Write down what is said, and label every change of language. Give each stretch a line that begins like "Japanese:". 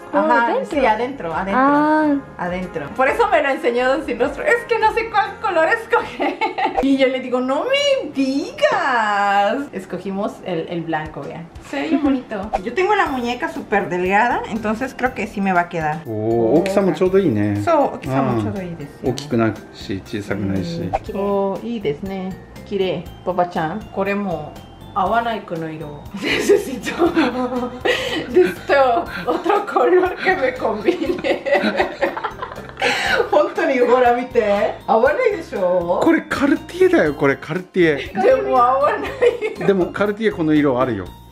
Spanish: Ajá, ¿dentro? Sí, adentro, adentro. Ah. Adentro. Por eso me lo enseñó Don Sin Rostro. Es que no sé cuál color escoger. Y yo le digo, no me digas. Escogimos el blanco, vean. Sí, bonito. Yo tengo la muñeca súper delgada, entonces creo que sí me va a quedar.
English: Oh, okay. Okay.
Japanese: ちょうどいいね。そう、大きさもちょうどいいですよ、ね。大きくないし、小さくないし。おお、いいですね。綺麗、パパちゃん。これも合わないこの色。
Spanish: Necesito de esto otro color que me combine。
Japanese: 本当にほら見て、合わないでしょ。これカルティエだよ。これカルティエ。でも合わない。でもカルティエこの色あるよ。